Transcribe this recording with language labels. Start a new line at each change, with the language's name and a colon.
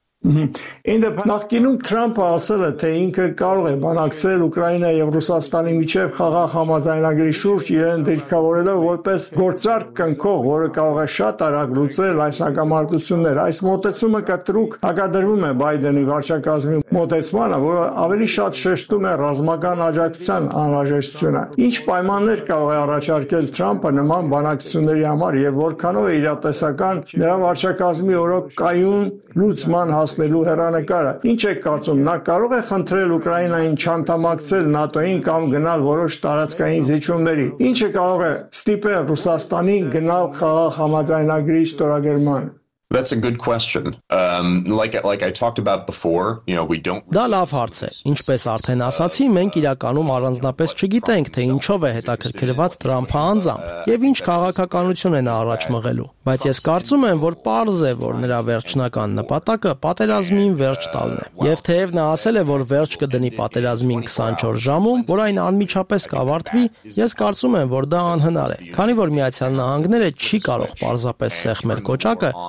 Armenian: Նախկինում Թրամփը ասել է, թե ինքը կարող է բանակցել Ուկրաինայի եւ Ռուսաստանի միջև խաղաղ համաձայնագրի շուրջ, իրեն դիրքավորելով որպես գործարք կնքող, որը կարող է շատ արագ լուծել այս հակամարտությունները։ Այս մոտեցումը կտրուկ հակադրվում է Բայդենի վարչակազմի մոտեցմանը, որը ավելի շատ շեշտում է ռազմական աջակցության անհրաժեշտությունը։ Ինչ պայմաններ կարող է առաջարկել Թրամփը նման բանակցությունների համար եւ որքանով է իրատեսական նրա վարչակազմի օրոքային լուծման հասնելու հեռանկարը։ Ինչ եք կարծում, նա կարող է խնդրել Ուկրաինային չանդամակցել ՆԱՏՕ-ին կամ գնալ որոշ տարածքային զիջումների։ Ինչ է կարող է ստիպել Ռուսաստանին գնալ խաղաղ համաձայնագրի ստորագրման։
English: That's a good question. Like I talked about before, you know, we don't
Armenian: Դա լավ հարց է։ Ինչպես արդեն ասացի, մենք իրականում առանձնապես չգիտենք, թե ինչով է հետաքրքրված Թրամփը անձամբ եւ ինչ քաղաքականություն են առաջ մղելու, բայց ես կարծում եմ, որ պարզ է, որ նրա վերջնական նպատակը պատերազմին վերջ տալն է։ Եվ թեև նա ասել է, որ վերջ կդնի պատերազմին 24 ժամում, որ այն անմիջապես կավարտվի, ես կարծում եմ, որ դա անհնար է, քանի որ Միացյալ Նահանգները չի կարող պարզապես սեղմել կոճակը